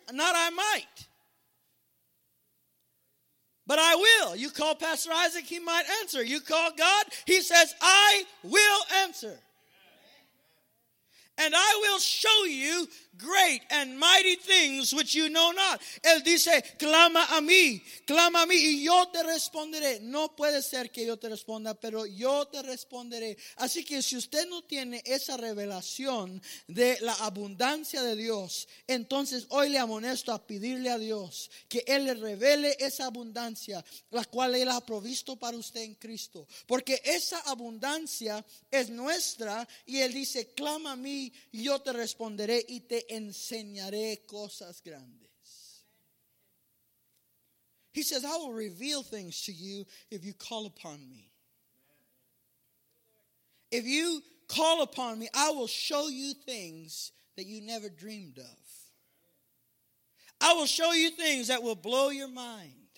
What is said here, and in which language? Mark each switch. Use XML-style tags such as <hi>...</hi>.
<en>Not I might, but I will. You call Pastor Isaac, he might answer. You call God, he says, I will answer. And I will show you great and mighty things which you know not.</en> <es>Él dice, clama a mí, y yo te responderé. No puede ser que yo te responda, pero yo te responderé. Así que si usted no tiene esa revelación de la abundancia de Dios, entonces hoy le amonesto a pedirle a Dios que Él le revele esa abundancia, la cual Él ha provisto para usted en Cristo. Porque esa abundancia es nuestra, y Él dice, clama a mí, yo te responderé y te enseñaré cosas grandes.</es> <en>He says, I will reveal things to you if you call upon me. If you call upon me, I will show you things that you never dreamed of. I will show you things that will blow your mind.</en>